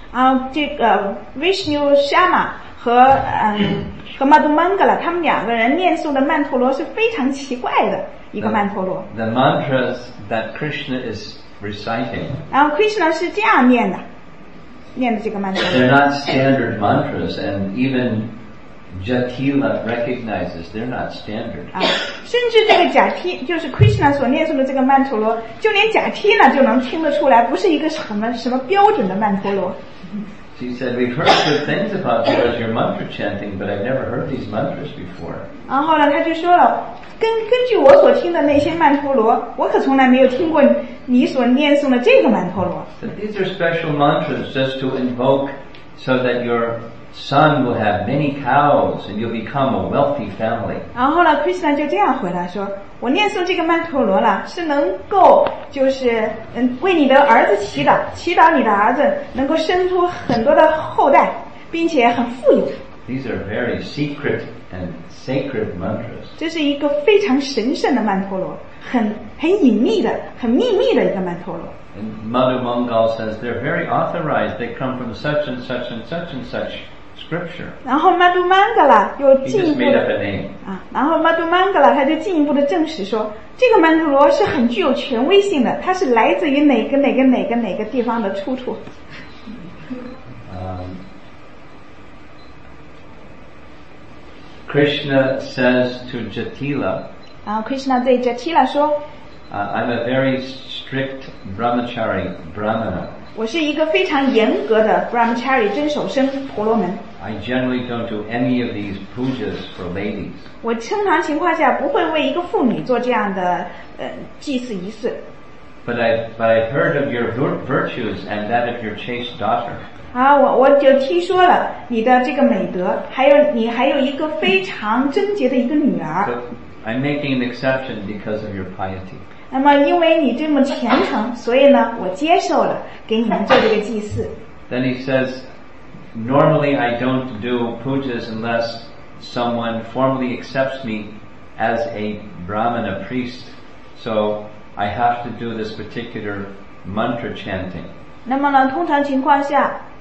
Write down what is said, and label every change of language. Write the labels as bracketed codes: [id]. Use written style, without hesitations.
[zh] 啊，这个 Vishnu Sharma 和和 Madhumangala 他们两个人念诵的曼陀罗是非常奇怪的一个曼陀罗。 [en] The mantras that Krishna is reciting. [zh] 然后 Krishna 是这样念的，念的这个曼陀罗。 [en] They're not standard mantras, and even Jatila recognizes they're not standard. [zh] 啊，甚至这个贾提就是 Krishna 所念诵的这个曼陀罗，就连贾提呢就能听得出来，不是一个什么标准的曼陀罗。 [en] She said, "We've heard good things about you as your mantra chanting, but I've never heard these mantras before." [zh] 然后呢，他就说了，根据我所听的那些曼陀罗，我可从来没有听过你所念诵的这个曼陀罗。 [en] But these are special mantras just to invoke, so that your son will have many cows and you'll become a wealthy family. [zh] 然后呢 ，Krishna 就这样回答说，我念诵这个曼陀罗了，是能够就是为你的儿子祈祷，祈祷你的儿子能够生出很多的后代，并且很富有。 [en] These are very secret and sacred mantras. [zh] 这是一个非常神圣的曼陀罗，很隐秘的，很秘密的一个曼陀罗。 [en] And Madhumangal says they're very authorized. They come from such and such and such and such scripture. [zh] 然后 Madhumangala 又进一步 [en] He just made up a name. [zh] 啊，然后 Madhumangala 他就进一步的证实说，这个曼陀罗是很具有权威性的，它是来自于哪个地方的出处。 [en] Krishna says to Jatila. [zh] 然后 Krishna 对 Jatila 说。 [en] I'm a very strict brahmachari, brahmana. [zh] 我是一个非常严格的 brahmachari, 遵守僧婆罗门。 [en] I generally don't do any of these pujas for ladies. [zh] 我正常情况下不会为一个妇女做这样的祭祀仪式。 [en] But I've heard of your virtues and that of your chaste daughter. [zh] 啊，我就听说了你的这个美德，还有一个非常贞洁的一个女儿。 [en] I'm making an exception because of your piety. [zh] 那么因为你这么虔诚，所以呢，我接受了给你们做这个祭祀。 [en] Then he says, normally I don't do pujas unless someone formally accepts me as a brahmin, a priest. So I have to do this particular mantra chanting. [zh] 那么呢，通常情况下